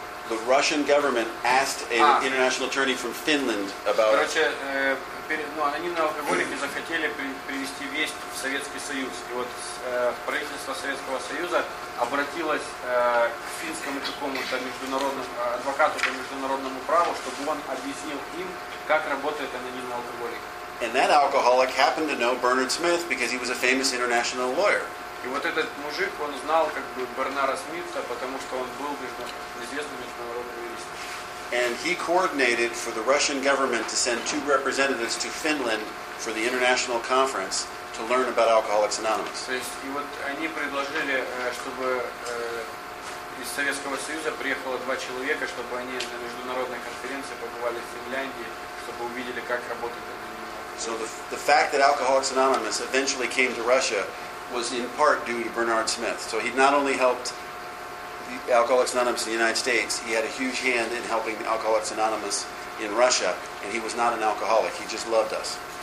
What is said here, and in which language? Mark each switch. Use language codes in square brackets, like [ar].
[en] The Russian government asked an international attorney from Finland about. [ru] Анонимные алкоголики захотели привести весть в Советский Союз, и вот правительство Советского Союза обратилось к финскому какому-то международному адвокату по международному праву, чтобы он объяснил им, как работает анонимный алкоголик. [en] And that alcoholic happened to know Bernard Smith because he was a famous international lawyer. [ru] И вот этот мужик, он знал как бы Бернара Смита, потому что он был известным международным юристом. [en] And he coordinated for the Russian government to send two representatives to Finland for the international conference to learn about Alcoholics Anonymous. [ru] То есть, и вот они предложили, чтобы из Советского Союза приехало два человека, чтобы они на международной конференции побывали в Финляндии, чтобы увидели, как работает это. [en] So the fact that Alcoholics Anonymous eventually came to Russia was in part due to Bernard Smith. So he not only helped Alcoholics Anonymous in the United States, he had a huge hand in helping Alcoholics Anonymous in Russia, and he was not an alcoholic, he just loved us.